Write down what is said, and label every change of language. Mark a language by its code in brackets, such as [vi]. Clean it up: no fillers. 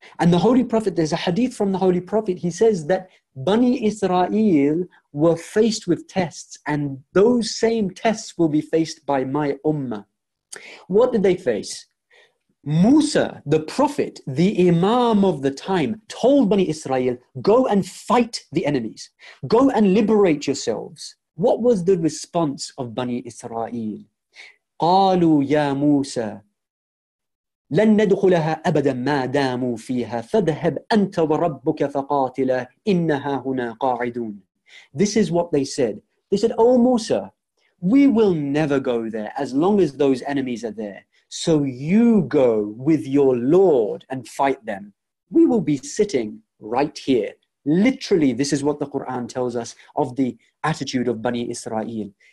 [en] And the Holy Prophet, there's a hadith from the Holy Prophet, he says that Bani Israel were faced with tests, and those same tests will be faced by my Ummah. What did they face? Musa, the prophet, the imam of the time, told Bani Israel, go and fight the enemies. Go and liberate yourselves. What was the response of Bani Israel? [ar] قَالُوا يَا مُوسَى لَن نَدْخُلَهَا أَبَدًا مَا دَامُوا فِيهَا فَذْهَبْ أَنْتَ وَرَبُّكَ فَقَاتِلَا إِنَّهَا هُنَا قَاعِدُونَ [en] This is what they said. They said, oh Musa, we will never go there as long as those enemies are there. So you go with your Lord and fight them. We will be sitting right here. Literally, this is what the Quran tells us of the attitude of Bani Israel.